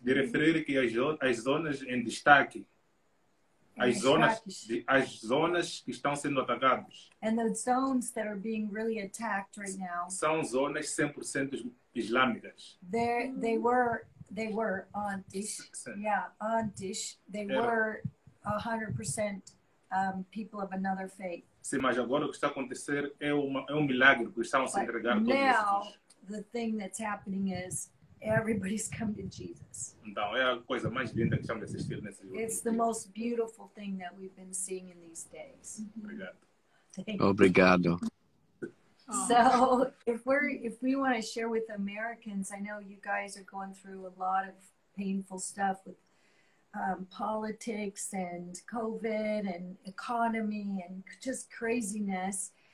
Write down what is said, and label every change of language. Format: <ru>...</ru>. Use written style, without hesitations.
<pt>De referir que as zonas em destaque, as zonas que estão sendo atacadas.</pt> <en>And the zones that are being really attacked right now.</en> <pt>São zonas 100% islâmicas.</pt> <en>They were on dish. Yeah, on dish. They were 100% people of another faith.</en> <pt>Sim, mas agora o que está acontecendo é um milagre que estão se entregando todos esses.</pt> <en>Now the thing that's happening is everybody's come to Jesus.</en> <pt>Então, é a coisa mais linda que estamos assistindo nesse jogo.</pt> <en>It's the most beautiful thing that we've been seeing in these days.</en> <pt>Obrigado. Obrigado.</pt> <en>So, if we want to share with Americans, I know you guys are going through a lot of painful stuff with politics and COVID and economy and just craziness.</en>